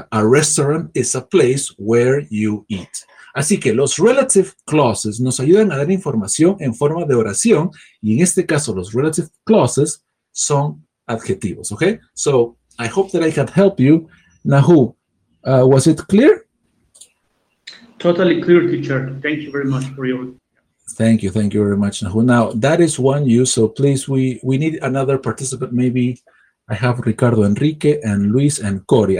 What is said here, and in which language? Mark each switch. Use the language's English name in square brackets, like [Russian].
[English] A restaurant is a place where you eat. [Spanish] Así que los relative clauses nos ayudan a dar información en forma de oración, y en este caso los relative clauses son adjetivos, ¿ok? [English] So, I hope that I can help you. Nahu, was it clear? Totally clear, teacher. Thank you very much for your... Thank you very much, Nahu. Now, that is one use, so please, we need another participant. Maybe I have Ricardo Enrique and Luis and Cory.